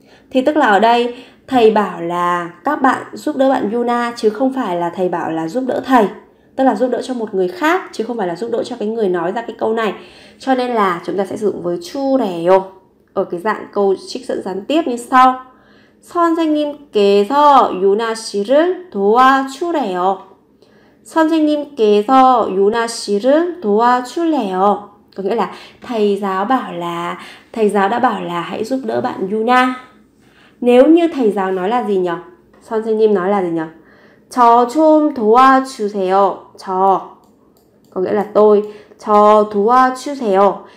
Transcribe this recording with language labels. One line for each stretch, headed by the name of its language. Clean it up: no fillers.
Vietnamese: Thì tức là ở đây thầy bảo là các bạn giúp đỡ bạn Yuna chứ không phải là thầy bảo là giúp đỡ thầy. Tức là giúp đỡ cho một người khác chứ không phải là giúp đỡ cho cái người nói ra cái câu này. Cho nên là chúng ta sẽ sử dụng với 주래요 ở cái dạng câu trích dẫn gián tiếp như sau.
Korean: 선생님께서 유나 씨를 도와주래요. 선생님께서 유나 씨를 도와주래요.
Vietnamese: Có nghĩa là thầy giáo đã bảo là hãy giúp đỡ bạn Yuna. Nếu như thầy giáo nói là gì nhỉ? 선생님 nói là gì nhỉ?
Korean: 저 좀 도와주세요. 저
Vietnamese: có nghĩa là tôi.
Korean: 저 도와주세요.